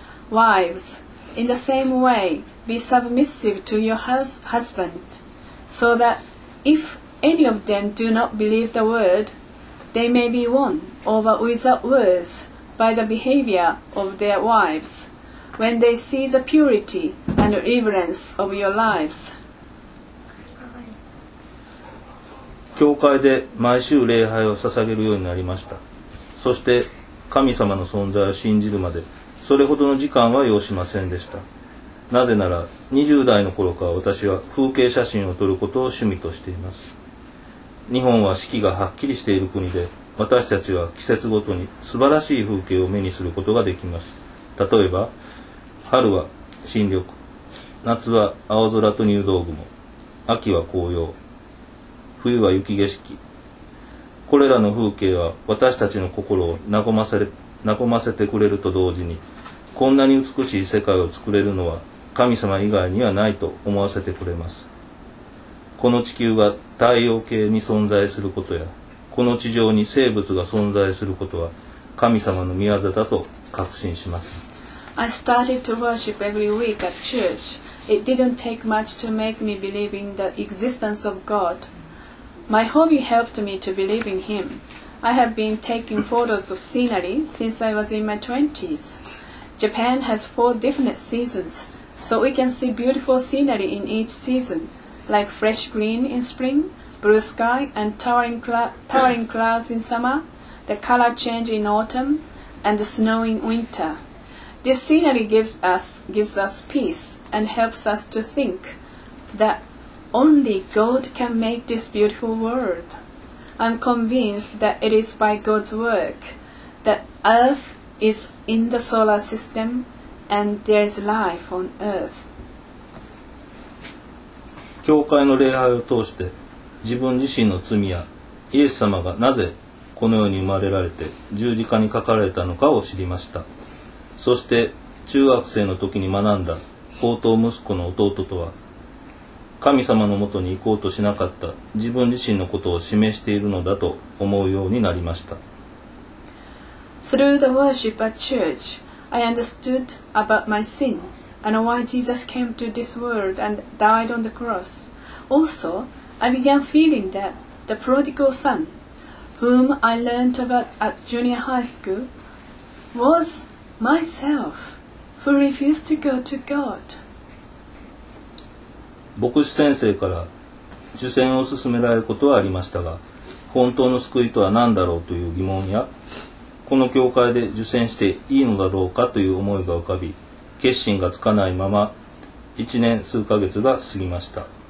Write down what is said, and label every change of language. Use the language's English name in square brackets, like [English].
[English] Wives, in the same way, be submissive to your husband, so that if any of them do not believe the word, they may be won over without words. By the behavior of their wives, when they see the purity and reverence of your lives. [Japanese] 教会で毎週礼拝を捧げるようになりました。そして神様の存在を信じるまでそれほどの時間は要しませんでした。なぜなら20代の頃から私は風景写真を撮ることを趣味としています。日本は四季がはっきりしている国で私たちは季節ごとに素晴らしい風景を目にすることができます。例えば春は新緑、夏は青空と入道雲、秋は紅葉、冬は雪景色。これらの風景は私たちの心を和ませてくれると同時にこんなに美しい世界を作れるのは神様以外にはないと思わせてくれます。この地球が太陽系に存在することやこの地上に生物が存在することは神様の御業だと確信します。 [English] I started to worship every week at church. It didn't take much to make me believe in the existence of God. My hobby helped me to believe in Him. I have been taking photos of scenery since I was in my 20s. Japan has four different seasons, so we can see beautiful scenery in each season, like fresh green in spring, blue sky and towering clouds in summer, the color change in autumn, and the snow in winter. This scenery gives us peace and helps us to think that only God can make this beautiful world. I'm convinced that it is by God's work that Earth is in the solar system and there is life on Earth. [Japanese] 教会の礼拝を通して自分自身の罪やイエス様がなぜこの世に生まれられて十字架にかかられたのかを知りました。そして中学生の時に学んだ高等息子の弟とは神様のもとに行こうとしなかった自分自身のことを示しているのだと思うようになりました。 [English] Through the worship at church, I understood about my sin and why Jesus came to this world and died on the cross. Also, I began feeling that the prodigal son, whom I learned about at junior high school, was myself who refused to go to God. [Japanese] 牧師先生から受洗を勧められることはありましたが、本当の救いとは何だろうという疑問や、この教会で受洗していいのだろうかという思いが浮かび、決心がつかないまま1年数ヶ月が過ぎました。